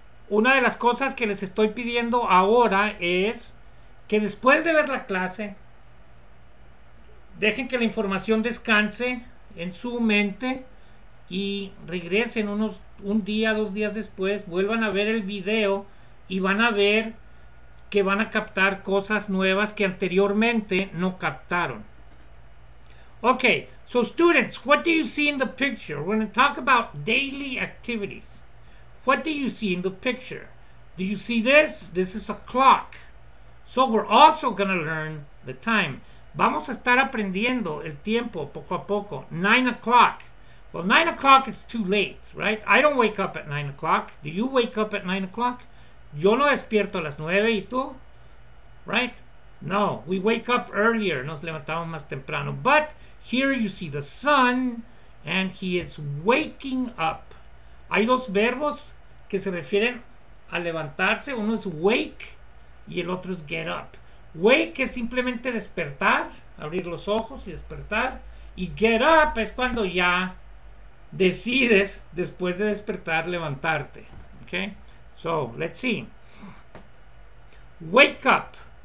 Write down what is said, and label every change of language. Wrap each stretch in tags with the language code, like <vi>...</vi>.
<es>Una de las cosas que les estoy pidiendo ahora es que después de ver la clase, dejen que la información descanse en su mente y regresen un día, dos días después, vuelvan a ver el video y van a ver que van a captar cosas nuevas que anteriormente no captaron.</es> <en>Okay, so students, what do you see in the picture? We're going to talk about daily activities. What do you see in the picture? Do you see this? This is a clock. So we're also going to learn the time.</en> <es>Vamos a estar aprendiendo el tiempo poco a poco.</es> <en>9 o'clock. Well, 9 o'clock is too late, right? I don't wake up at 9 o'clock. Do you wake up at 9 o'clock?</en> <es>Yo no despierto a las 9, ¿y tú?</es> <en>Right? No, we wake up earlier.</en> <es>Nos levantamos más temprano.</es> <en>But here you see the sun, and he is waking up.</en> <es>Hay dos verbos que se refieren a levantarse. Uno es wake, y el otro es get up. Wake es simplemente despertar, abrir los ojos y despertar. Y get up es cuando ya decides, después de despertar, levantarte. Okay?</es> <en>So, let's see. Wake up.</en>